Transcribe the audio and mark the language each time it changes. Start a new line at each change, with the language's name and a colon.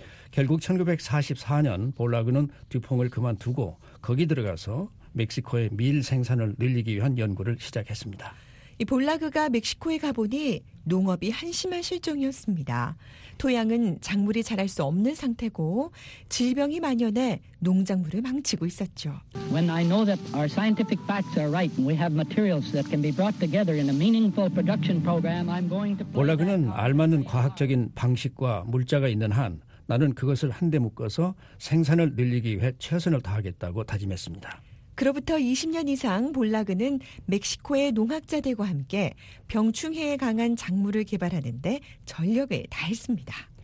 Korean: 결국 1944년 볼라그는 듀퐁을 그만두고 거기 들어가서 멕시코의 밀 생산을 늘리기 위한 연구를 시작했습니다. 이 볼라그가 멕시코에 가보니 농업이 한심한 실정이었습니다. 토양은 작물이 자랄 수 없는 상태고 질병이 만연해 농작물을 망치고 있었죠.
English: When I know that our scientific facts are right and we have materials that can be brought together in a meaningful production program, I'm going to.
Korean: 볼라그는 알맞은 과학적인 방식과 물자가 있는 한 나는 그것을 한 데 묶어서 생산을 늘리기 위해 최선을 다하겠다고 다짐했습니다. 그로부터 20년 이상 볼라그는 멕시코의 농학자들과 함께 병충해에 강한 작물을 개발하는 데 전력을 다했습니다.